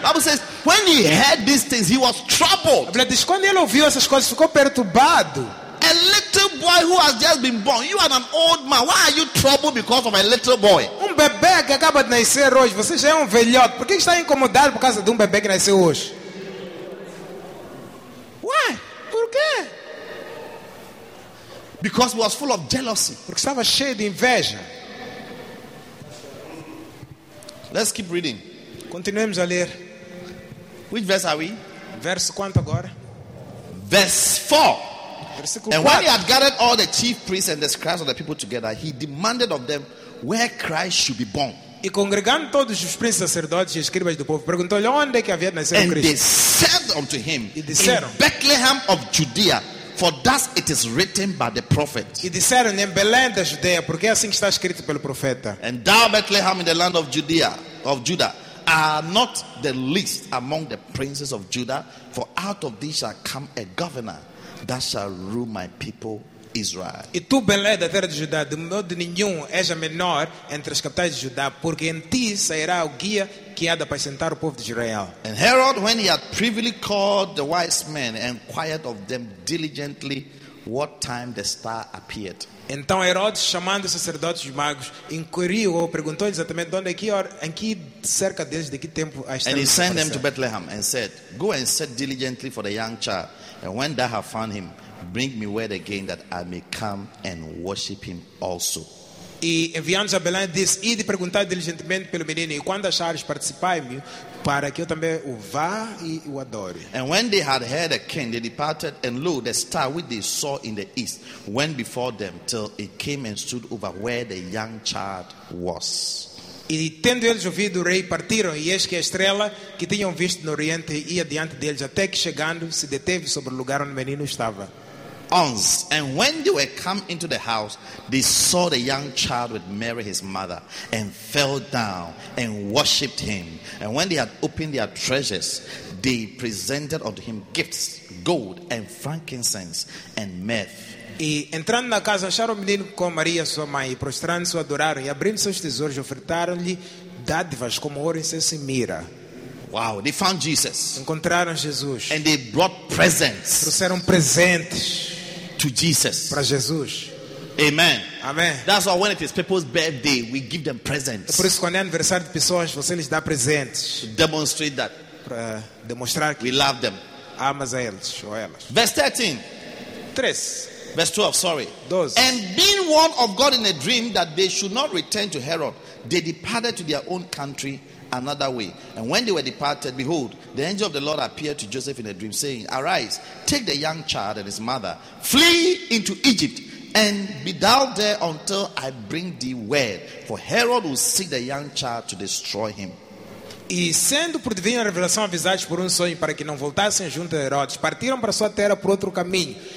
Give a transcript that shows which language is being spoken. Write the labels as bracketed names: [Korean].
[English] Bible says, when he heard these things, he was troubled. [Portuguese] A Bíblia diz, quando ele ouviu essas coisas, ficou perturbado. [English] A little boy who has just been born. You are an old man. Why are you troubled because of a little boy? [Portuguese] Um bebê que acaba de nascer hoje. Você já é um velhote. Por que está incomodado por causa de um bebê que nasceu hoje? [English] Why? [Portuguese] Por quê? [English] Because he was full of jealousy. [Portuguese] Porque estava cheio de inveja. [English] Let's keep reading. [Portuguese] Continuemos a ler. [English] Which verse are we? [Portuguese] Verso quanto agora? [English] Verse 4. [Portuguese] Versículo 4. [English] And when he had gathered all the chief priests and the scribes of the people together, he demanded of them where Christ should be born. [Portuguese] E congregando todos os príncipes, sacerdotes e escribas do povo, perguntou-lhe onde é que havia de nascer [English] and [Portuguese] o Cristo. [English] They said unto him, [Portuguese] e disseram, [English] in Bethlehem of Judea, for thus it is written by the prophet. [Portuguese] E disseram, em Belém da Judeia, porque é assim que está escrito pelo profeta. [English] And thou, Bethlehem, in the land of Judea, of Judah, are not the least among the princes of Judah, for out of thee shall come a governor that shall rule my people Israel. [Portuguese] E tu, Belém, da terra de Judá, de modo nenhum és a menor entre as capitais de Judá, porque em ti sairá o guia que há de apacentar o povo de Israel. [English] And Herod, when he had privily called the wise men and inquired of them diligently what time the star appeared. [Portuguese] Então Herodes, chamando os sacerdotes e magos, inquiriu ou perguntou exatamente onde é que hora, em que cerca deles, de que tempo a estrela. [English] And he sent them to Bethlehem and said, go and search diligently for the young child, and when thou have found him, bring me word again that I may come and worship him also. [Portuguese] E enviando-os a Belém, disse, ide perguntar diligentemente pelo menino, e quando achares, participai-me, para que eu também o vá e o adore. [English] And when they had heard the king, they departed, and lo, the star which they saw in the east went before them, till it came and stood over where the young child was. [Portuguese] E tendo eles ouvido o rei, partiram, e eis que a estrela que tinham visto no oriente ia diante deles, até que chegando, se deteve sobre o lugar onde o menino estava. [English] And when they were come into the house, they saw the young child with Mary his mother, and fell down and worshipped him. And when they had opened their treasures, they presented unto him gifts, gold and frankincense and myrrh. [Portuguese] E entrando na casa, acharam o menino com Maria sua mãe, e prostrando-se o adoraram, e abrindo seus tesouros ofertaram-lhe dádivas como ouro, incenso e mirra. [English] Wow, they found Jesus. [Portuguese] Encontraram Jesus. [English] And they brought presents. [Portuguese] Trouxeram presentes [English] to Jesus. [Portuguese] Para Jesus. [English] Amen. [Portuguese] Amém. [English] That's why when it is people's birthday, we give them presents. [Portuguese] É por isso, quando é aniversário de pessoas, você lhes dá presentes. [English] To demonstrate that. [Portuguese] Para demonstrar que [English] we love them. [Portuguese] Amas a eles ou elas. [English] Verse 13. 3. Verse 12, sorry. 12. And being warned of God in a dream that they should not return to Herod, they departed to their own country another way. And when they were departed, behold, the angel of the Lord appeared to Joseph in a dream, saying, arise, take the young child and his mother, flee into Egypt, and be thou there until I bring thee word, for Herod will seek the young child to destroy him. [Portuguese] E sendo por divina revelação avisados por sonho para que não voltassem junto a Herodes, partiram para sua terra por outro caminho.